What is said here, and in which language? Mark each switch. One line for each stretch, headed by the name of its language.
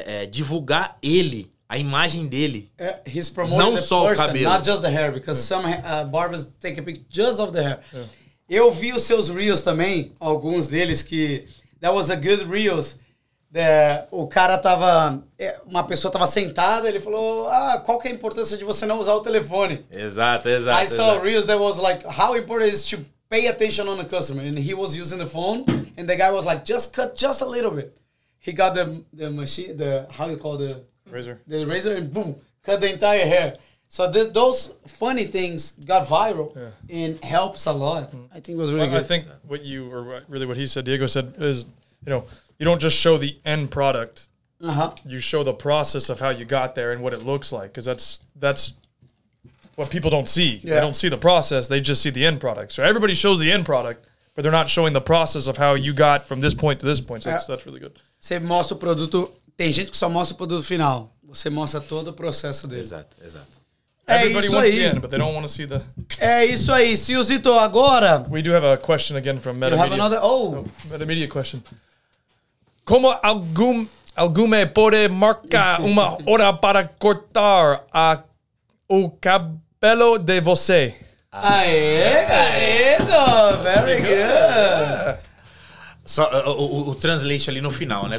Portuguese: Divulgar ele, a imagem dele.
English: He's promoting
Portuguese: não
English: the
Portuguese: só
English: person,
Portuguese: o cabelo.
English: Not just the hair, because some barbers take a picture just of the hair.
Portuguese: Eu vi os seus reels também, alguns deles, que...
English: That was a good reels.
Portuguese: O cara tava... Uma pessoa tava sentada, ele falou... Ah, qual que é a importância de você não usar o telefone? Exato.
English: I saw reels that was like... How important is to pay attention on the customer? And he was using the phone, and the guy was like... Just cut just a little bit. He got the machine, the, how you call the... Razor. The razor, and boom, cut the entire hair. So those funny things got viral and helps a lot. I think it was really good. I think what he said, Diego said, is, you know, you don't just show the end product. Uh-huh. You show the process of how you got there and what it looks like, because that's what people don't see. Yeah. They don't see the process, they just see the end product. So everybody shows the end product, but they're not showing the process of how you got from this point to this point. So that's really good.
Portuguese: Você mostra o produto... Tem gente que só mostra o produto final. Você mostra todo o processo dele. Exato. É isso aí.
English: Everybody wants the end, but they don't want to see the...
Portuguese: É isso aí. Silzito, agora...
English: We do have a question again from Metamedia. You have another... Oh! Metamedia question.
Portuguese: Como algum pode marcar uma hora para cortar o cabelo de você? Aê, garoto!
English: Very good!
Portuguese: Só o translation ali no final, né?